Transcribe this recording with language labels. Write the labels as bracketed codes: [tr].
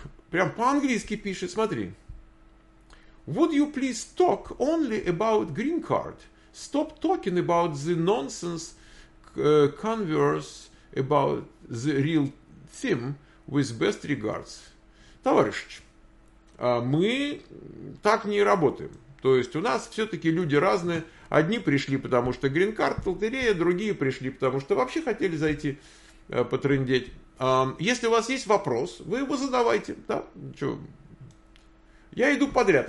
[ru] Прям по-английски пишет, смотри. [en] Would you please talk only about green card? Stop talking about the nonsense converse about the real theme with best regards. [ru] Товарищ, мы так не работаем. То есть у нас все-таки люди разные. Одни пришли, потому что Green Card лотерея, другие пришли, потому что вообще хотели зайти потрындеть. Если у вас есть вопрос, вы его задавайте. Да? Я иду подряд.